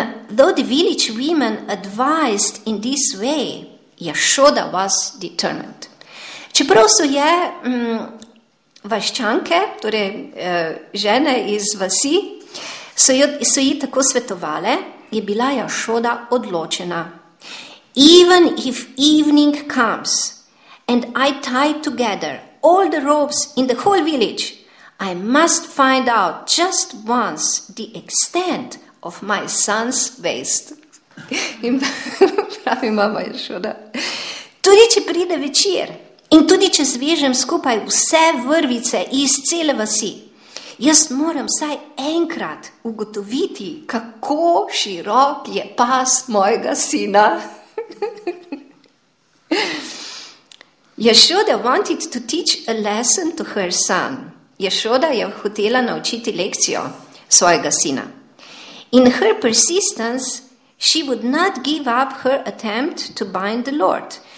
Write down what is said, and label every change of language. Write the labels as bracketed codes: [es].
[en] Though the village women advised in this way, Jašoda was determined. [sl] Čeprav so je vaščanke, torej žene iz vasi, so ji tako svetovale, je bila Jašoda odločena. [en] Even if evening comes and I tie together all the robes in the whole village, I must find out just once the extent of my son's waist. [sl] In pravi mama Jašoda. Tudi če pride večer, in tudi, če zvežem skupaj vse vrvice iz cele vasi, jaz moram vsaj enkrat ugotoviti, kako širok je pas mojega sina. [en] Jašoda wanted to teach a lesson to her son. [sl] Jašoda je hotela naučiti lekcijo svojega sina. [en] In her persistence, She would not give up her attempt to bind the Lord.